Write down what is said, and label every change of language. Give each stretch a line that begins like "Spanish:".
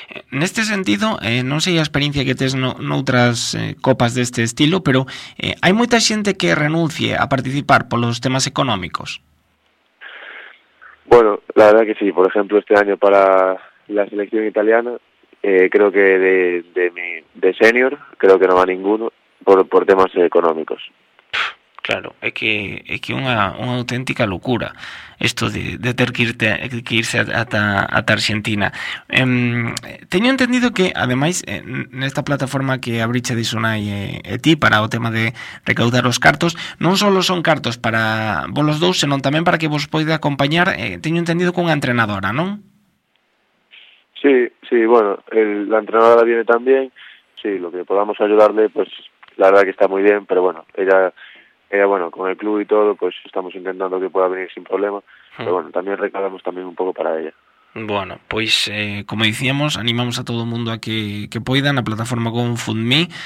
Galician: Neste sentido, non sei a experiencia que tes noutras copas deste estilo, pero hai moita xente que renuncie a participar polos temas económicos?
Spanish: Bueno, la verdad que sí. Por ejemplo, este año para la selección italiana, creo que de senior, creo que no va ninguno por temas económicos.
Galician: Claro, é que unha auténtica locura isto de ter que irse ata Argentina. Teño entendido que, ademais, nesta plataforma que abriche de Sunai e ti para o tema de recaudar os cartos, non só son cartos para vos los dous, senón tamén para que vos poida acompañar, teño entendido, cunha entrenadora, non?
Spanish: Sí, bueno, la entrenadora viene tamén, sí, lo que podamos ayudarle, pues, la verdad que está muy bien, pero bueno, bueno, con el club y todo, pues estamos intentando que pueda venir sin problema. Pero bueno, también recalamos también un poco para ella. Bueno, pues como decíamos, animamos a todo el mundo a que puedan, a plataforma GoFundMe.